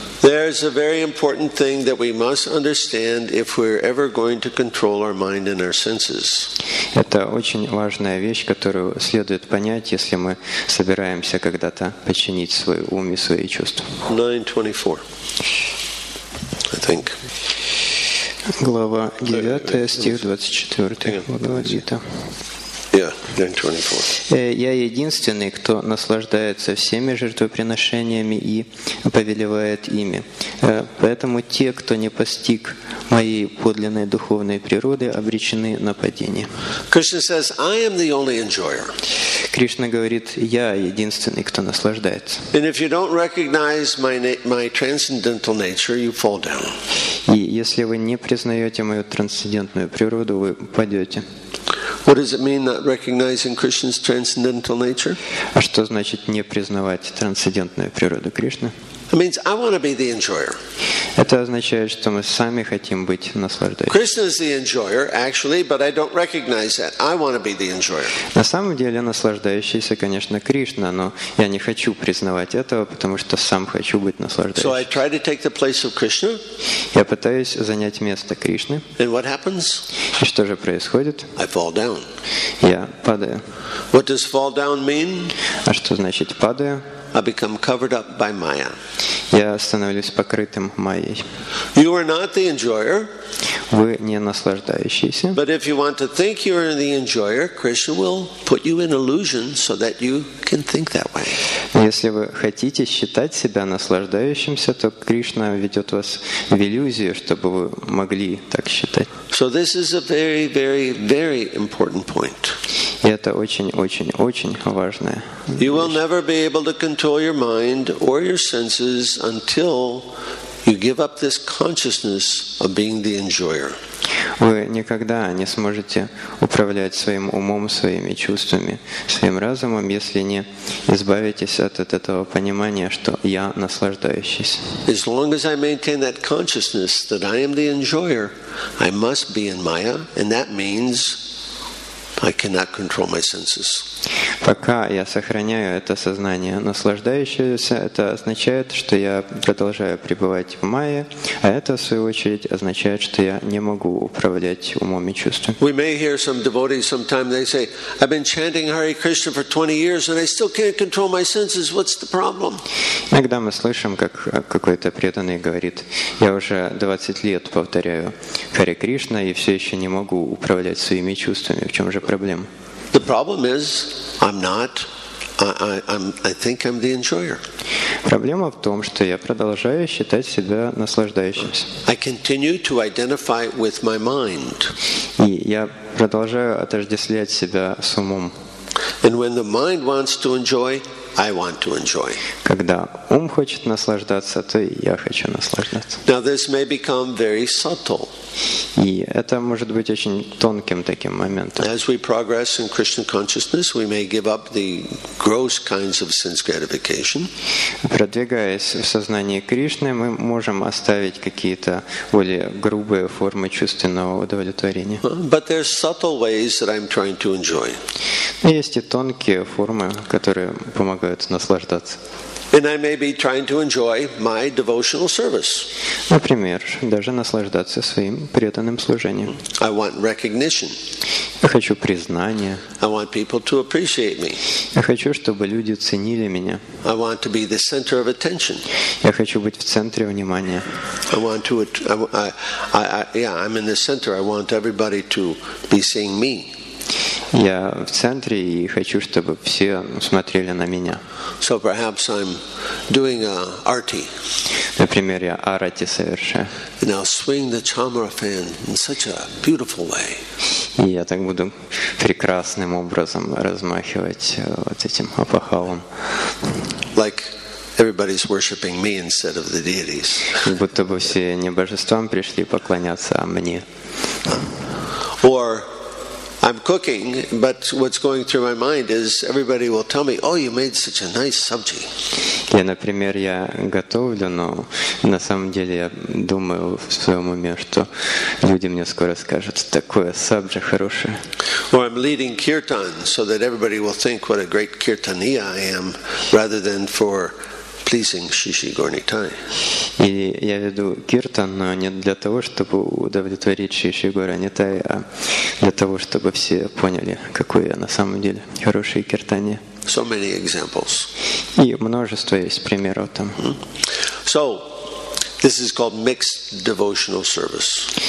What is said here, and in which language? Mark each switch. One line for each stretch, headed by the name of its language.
English: There is a very important thing that we must understand if we're ever going to control our mind and our senses.
Russian: Это очень важная вещь, которую следует понять, если мы собираемся когда-то подчинить свой ум и свои чувства.
English: 9:24. I think.
Russian: Глава 9, стих 24.
English: Yeah, 9:24.
Russian: Я единственный, кто наслаждается всеми жертвоприношениями и повелевает ими. Поэтому те, кто не постиг моей подлинной духовной природы, обречены на падение.
English: Krishna says, I am the only enjoyer.
Russian: Кришна говорит, я единственный, кто наслаждается.
English: And if you don't recognize my transcendental nature, you fall down.
Russian: И если вы не признаете мою трансцендентную природу, вы падете.
English: What does it mean not recognizing Krishna's transcendental nature?
Russian: А что значит не признавать трансцендентную природу Кришны?
English: It means I want to be the enjoyer.
Russian: Это означает, что мы сами хотим быть наслаждающими.
English: Krishna is the enjoyer, actually, but I don't recognize that. I want to be the enjoyer.
Russian: На самом деле наслаждающийся, конечно, Кришна, но я не хочу признавать этого, потому что сам хочу быть наслаждающим.
English: So I try to take the place of Krishna.
Russian: Я пытаюсь занять место Кришны.
English: And what happens?
Russian: И что же происходит?
English: I fall down.
Russian: Я падаю.
English: What does fall down mean?
Russian: А что значит падаю?
English: I become covered up by Maya.
Russian: Я становлюсь покрытым Майей.
English: You are not the enjoyer.
Russian: Вы не наслаждающийся.
English: But if you want to think you are the enjoyer, Krishna will put you in illusion so that you can think that way.
Russian: Если вы хотите считать себя наслаждающимся, то Кришна ведет вас в иллюзию, чтобы вы могли так считать.
English: So this is a very, very, very important point.
Russian: И это очень, очень, очень важное.
English: You will never be able to control your mind or your senses until you give up this consciousness of being the enjoyer.
Russian: Вы никогда не сможете управлять своим умом, своими чувствами, своим разумом, если не избавитесь от этого понимания, что я наслаждающийся.
English: As long as I maintain that consciousness that I am the enjoyer, I must be in Maya, and that means I cannot control my senses.
Russian: Пока я сохраняю это сознание наслаждающегося, это означает, что я продолжаю пребывать в майе, а это, в свою очередь, означает, что я не могу управлять умом и чувством.
English: We may hear some devotees sometime, they say, I've been chanting Hare Krishna for 20 years and I still can't control my senses. What's the problem?
Russian: Иногда мы слышим, как какой-то преданный говорит, я уже 20 лет повторяю Hare Krishna и все еще не могу управлять своими чувствами. В чем же проблема?
English: The problem is, I think I'm the enjoyer.
Russian: Проблема в том, что я продолжаю считать себя наслаждающимся.
English: I continue to identify with my mind.
Russian: И я продолжаю отождествлять себя с умом.
English: And when the mind wants to enjoy, I want to enjoy.
Russian: Когда ум хочет наслаждаться, то и я хочу наслаждаться.
English: Now this may become very subtle.
Russian: И это может быть очень тонким таким моментом.
English: As we progress in Krishna consciousness, we may give up the gross kinds of sense gratification.
Russian: Продвигаясь в сознании Кришны, мы можем оставить какие-то более грубые формы чувственного удовлетворения.
English: But there's subtle ways that I'm trying to enjoy.
Russian: Есть и тонкие формы, которые помогают наслаждаться.
English: And I may be trying to enjoy my devotional service.
Russian: Например, даже наслаждаться своим преданным служением.
English: I want recognition.
Russian: Я хочу признания.
English: I want people to appreciate me.
Russian: Я хочу, чтобы люди ценили меня.
English: I want to be the center of attention.
Russian: Я хочу быть в центре внимания.
English: I'm in the center. I want everybody to be seeing me.
Russian: Я в центре и хочу, чтобы все смотрели на меня.
English: So perhaps I'm doing a arti.
Russian: Например, я арати совершаю.
English: And I'll swing the chamara fan in such a beautiful way.
Russian: И я так буду прекрасным образом размахивать вот этим апахалом.
English: Like everybody's worshiping me instead of the deities.
Russian: Как будто бы все не божествам пришли поклоняться, а мне.
English: Or I'm cooking, but what's going through my mind is everybody will tell me, "Oh, you made such a nice sabji."
Russian: Я, например, я готовлю, но на самом деле я думаю в своем уме, что люди мне скоро скажут, такое сабджи хорошее.
English: Or I'm leading kirtan so that everybody will think what a great kirtaniya I am, rather than for pleasing Shishi Gornitai.
Russian: Или я веду киртан, но не для того, чтобы удовлетворить Шиши Горанитай, а для того, чтобы все поняли, какой я на самом деле хороший киртанья.
English: So many examples.
Russian: И множество есть примеров там.
English: So, this is called mixed devotional service.